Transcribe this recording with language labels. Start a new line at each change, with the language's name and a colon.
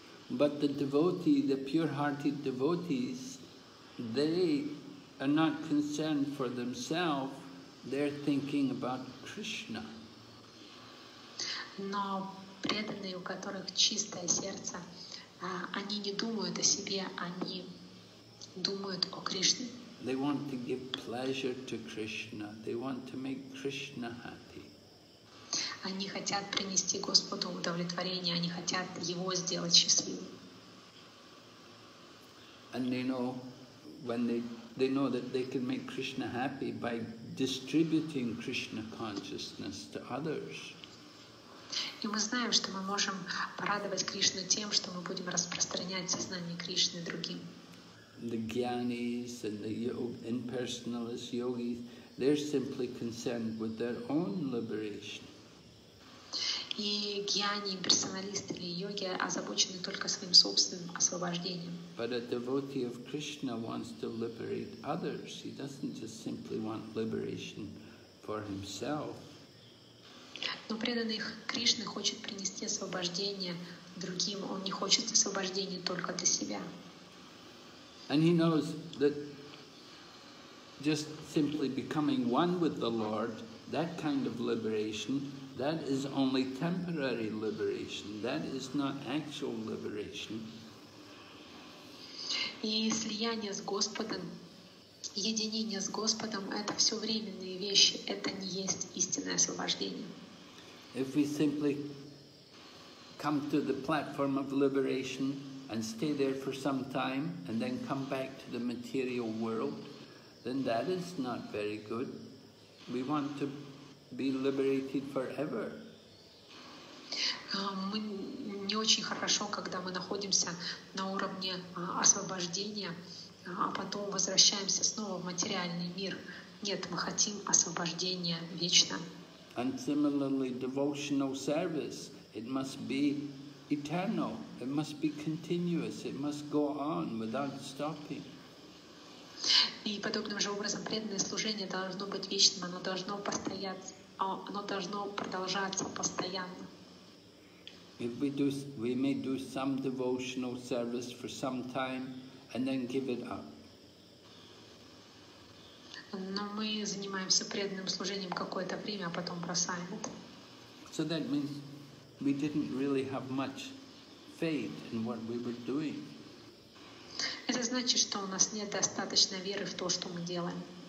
English: But the devotee, the pure-hearted devotees, they are not concerned for themselves. They're thinking about Krishna.
Russian: Но преданные, у которых чистое сердце, они не думают о себе, они думают о Кришне.
English: They want to give pleasure to Krishna. They want to make Krishna happy.
Russian: Они хотят принести Господу удовлетворение. Они хотят Его сделать счастливым.
English: And they know when they know that they can make Krishna happy by distributing Krishna consciousness to others.
Russian: И мы знаем, что мы можем порадовать Кришну тем, что мы будем распространять сознание Кришны другим.
English: The gyanis and the impersonalist yogis, they're simply concerned with their own liberation.
Russian: И гьяни, имперсоналисты или йоги озабочены только своим собственным освобождением.
English: But a devotee of Krishna wants to liberate others. He doesn't just simply want liberation for himself.
Russian: Но преданный Кришна хочет принести освобождение другим. Он не хочет освобождения только для себя.
English: And he knows that just simply becoming one with the Lord, that kind of liberation, that is only temporary liberation. That is not actual liberation.
Russian: И слияние с Господом, единение с Господом, это все временные вещи. Это не есть истинное освобождение.
English: If we simply come to the platform of liberation and stay there for some time and then come back to the material world, then that is not very good. We want to be liberated forever.
Russian: Мы не очень хорошо, когда мы находимся на уровне освобождения, а потом возвращаемся снова в материальный мир. Нет, мы хотим освобождения вечно.
English: And similarly, devotional service, it must be eternal, it must be continuous, it must go on without stopping.
Russian: И подобным же образом преданное служение должно быть вечным, оно должно продолжаться постоянно.
English: If we may do some devotional service for some time and then give it up.
Russian: Но мы занимаемся преданным служением какое-то время, а потом бросаем это.
English: So that means we didn't really have much faith in what we were doing.
Russian: Это значит, что у нас нет достаточно веры в то, что мы делаем.